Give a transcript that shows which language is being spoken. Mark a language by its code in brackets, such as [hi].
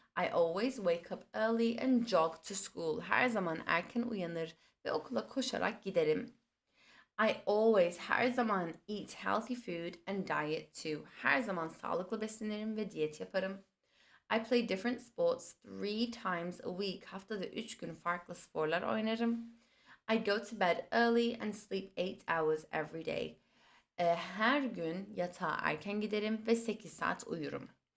[en] I always wake up early and jog to school. [tr] Her zaman erken uyanır ve okula koşarak giderim. Her zaman [en] eat healthy food and diet too. [tr] Her zaman sağlıklı beslenirim ve diyet yaparım. [en] I play different sports 3 times a week. [tr] Haftada 3 gün farklı sporlar oynarım. [en] I go to bed early and sleep 8 hours every day. [tr] Her gün yatağa erken giderim ve 8 saat uyurum.